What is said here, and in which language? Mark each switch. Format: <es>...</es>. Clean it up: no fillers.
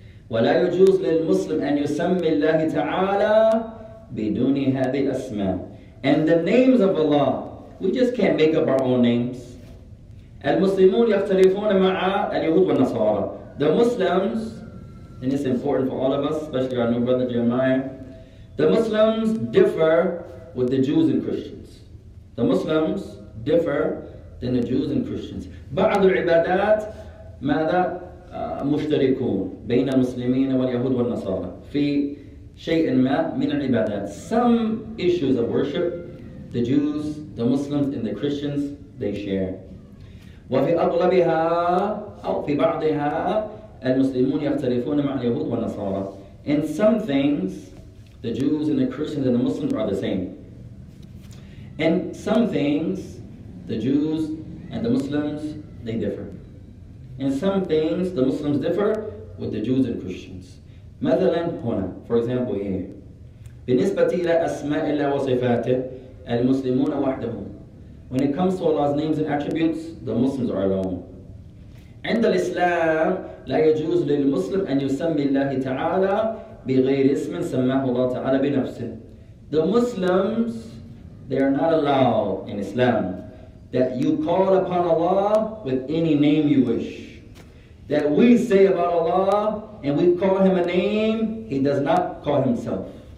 <ar>ولا يجوز للمسلم أن يسمي الله تعالى بدون هذه الأسماء.</ar> <en>And the names of Allah, we just can't make up our own names.</en> <ar>المسلمون يختلفون مع اليهود والنصارى.</ar> <en>The Muslims, and it's important for all of us, especially our new brother Jeremiah, the Muslims differ with the Jews and Christians. The Muslims differ than the Jews and Christians.</en> <ar>بعض العبادات ماذا مشتركون بين المسلمين واليهود والنصارى في شيء ما من العبادات.</ar> <en>Some issues of worship, the Jews, the Muslims, and the Christians, they share.</en> <ar>وفي أغلبها أو في بعضها المسلمون يختلفون مع اليهود والنصارى.</ar> <en>In some things, the Jews and the Christians and the Muslims are the same. In some things, the Jews and the Muslims, they differ. In some things, the Muslims differ with the Jews and Christians.</en> <ar>مثلا هنا,</ar> <en>for example here.</en> <ar>بالنسبة إلى أسماء الله وصفاته المسلمون وحدهم.</ar> <en>When it comes to Allah's names and attributes, the Muslims are alone.</en> <ar>عند الإسلام لا يجوز للمسلم أن يسمي الله تعالى بغير اسم سماه الله تعالى بنفسه.</ar> <en>The Muslims, they are not allowed in Islam that you call upon Allah with any name you wish. That we say about Allah and we call Him a name, He does not call Himself.</en>